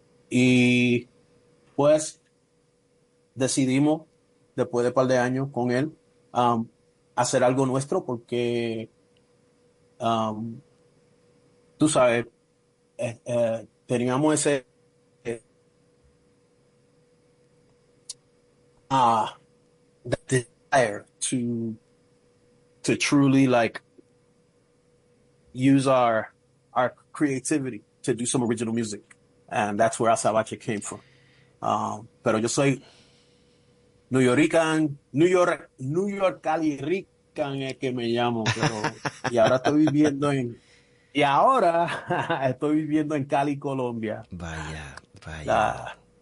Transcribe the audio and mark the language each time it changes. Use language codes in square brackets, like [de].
[es] Y pues decidimos, después de un par de años con él, hacer algo nuestro, porque tú sabes, teníamos ese... [en] the desire to truly like use our creativity to do some original music, and that's where Azabache came from. [es] Pero yo soy New Yorkerican es que me llamo, estoy viviendo en Cali, Colombia. Vaya.